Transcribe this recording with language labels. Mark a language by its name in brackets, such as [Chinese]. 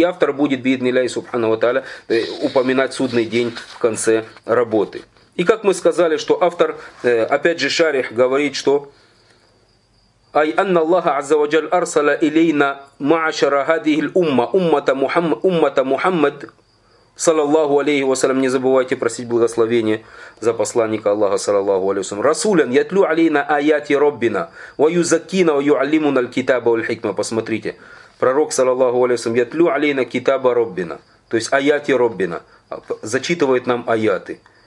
[Russian] И автор будет, биидни ляхи субхану ва тааля, упоминать судный день в конце работы. И как мы сказали, что автор, опять же шарих, говорит, что [Arabic] أي أن الله عز وجل أرسل إلينا معشر هذه الأمة أمة محمد صلى الله عليه وسلم. [Russian] Не забывайте просить благословения за посланника Аллаха صلى الله عليه وسلم. [Arabic] رسولا يتلو علينا آيات ربنا ويزكينا ويعلمنا الكتاب والحكمة. [Russian] Посмотрите, пророк [Arabic] صلى الله عليه وسلم يتلو علينا كتاب ربنا, [Russian] то есть аяти [Arabic] ربنا, [Russian] зачитывает нам аяты.